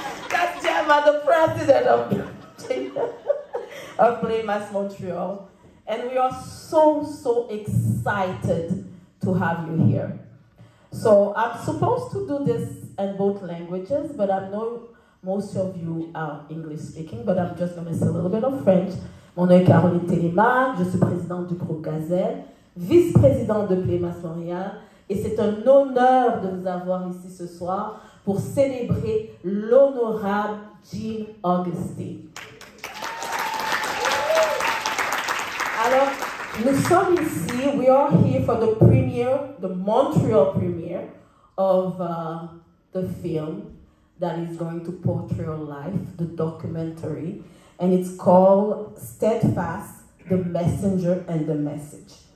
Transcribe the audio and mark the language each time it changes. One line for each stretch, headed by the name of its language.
English: That's Gemma, the president of Playmas Montreal. And we are so, so excited to have you here. So I'm supposed to do this in both languages, but I know most of you are English speaking, but I'm just gonna say a little bit of French.
French: Mon nom est Caroline Telemac, je suis président du Groupe Gazelle. Vice-président de Playmas Montréal, et c'est un honneur de vous avoir ici ce soir pour célébrer l'honorable Jean Augustine. Alors, nous sommes ici,
English: we are here for the premiere, the Montreal premiere of the film that is going to portray your life, the documentary, and it's called Steadfast, The Messenger and the Message.